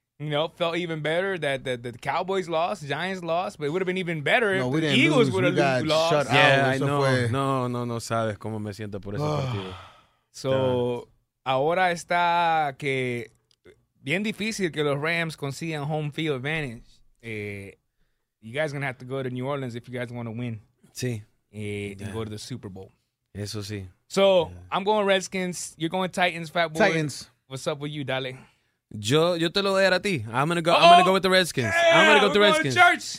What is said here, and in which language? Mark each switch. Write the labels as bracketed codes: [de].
[en] Felt even better that the Cowboys lost, Giants lost, but it would have been even better if the Eagles would have lost. Shut out. Yeah, I know. [es] No sabes cómo me siento por ese partido. So, ahora está que bien difícil que los Rams consigan [en] home field advantage. You guys are going to have to go to New Orleans if you guys want to win. [es] Sí. [en] And go to the Super Bowl. [es] Eso sí. [en] So, I'm going Redskins. You're going Titans, Fatboy. Titans. What's up with you, Dale? [es] Yo te lo voy a dar a ti. [en] I'm gonna go with the Redskins. Yeah, I'm gonna go with the Redskins. Church.